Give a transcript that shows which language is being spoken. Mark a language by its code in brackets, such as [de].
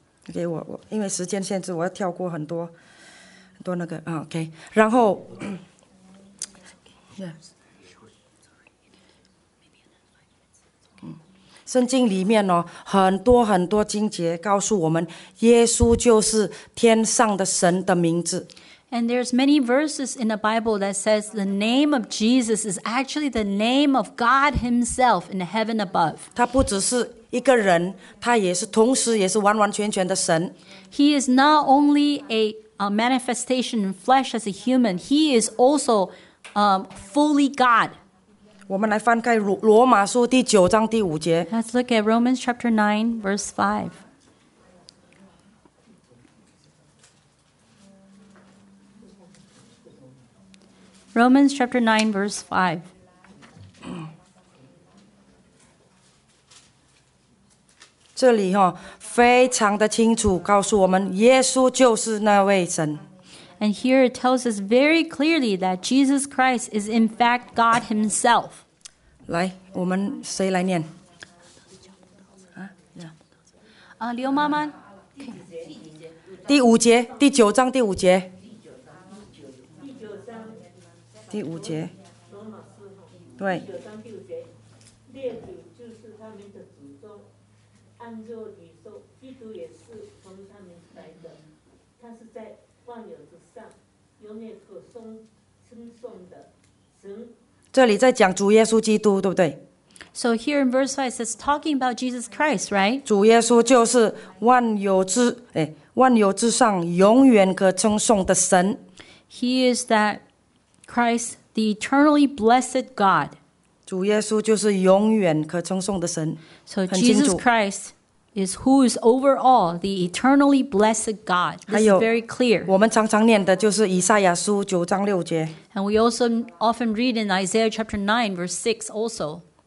[zh] okay, 我因为时间限制我要跳过很多很多那个 OK 然后 圣经里面、哦、很多很多经节告诉我们耶稣就是天上的神的名字 [en] And there's many verses in the Bible that says the name of Jesus is actually the name of God himself in heaven above [zh] 他不只是一个人他也是同时也是完完全全的神 [en] He is not only a manifestation in flesh as a human He is also fully God [zh] 我们来翻开罗马书第九章第五节。 [en] Let's look at Romans chapter 9, verse 5. Romans chapter 9, verse 5. [zh] 这里、哦、非常的清楚告诉我们耶稣就是那位神。 [en] And here it tells us very clearly that Jesus Christ is in fact God himself. [zh] 来，我们谁来念？啊，刘妈妈，第五节，第九章第五节，第五节，对。列祖就是他们的祖宗，按照礼受，基督也是从他们来的，他是在万有之上，永远可颂称颂的神。这里在讲主耶稣基督，对不对 [en] ？So here in verse 5 it says talking about Jesus Christ, right? [zh] 主耶稣就是万有之上永远可称颂的神。 [en] He is that Christ, the eternally blessed God. [zh] 主耶稣就是永远可称颂的神。 [en] So Jesus Christ is who is over all the eternally blessed God. This is very clear. [zh] 我们常常念的就是以赛亚书九章六节。 [en] And we also often read in Isaiah chapter 9, verse 6 also.